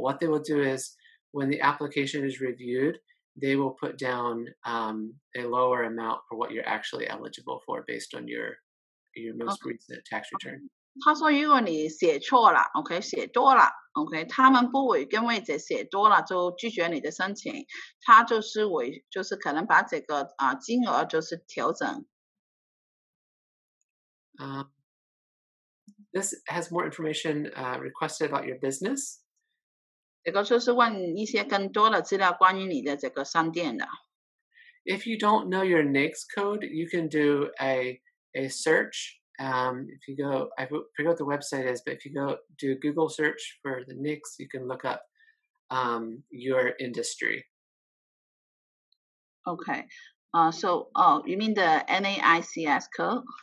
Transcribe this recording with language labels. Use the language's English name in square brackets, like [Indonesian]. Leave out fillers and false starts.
[English] What they will do is when the application is reviewed, they will put down a lower amount for what you're actually eligible for based on your most recent tax return. [Chinese] 他说如果你写错了 ，OK， 写多了 ，OK， 他们不会因为这写多了就拒绝你的申请，他就是会就是可能把这个金额就是调整。 [English] This has more information requested about your business. [Chinese] 这个就是问一些更多的资料关于你的这个商店的。 [English] If you don't know your NAICS code, you can do a search. If you go, I forget what the website is, but if you go do a Google search for the NAICS, you can look up your industry. Okay. You mean the NAICS code?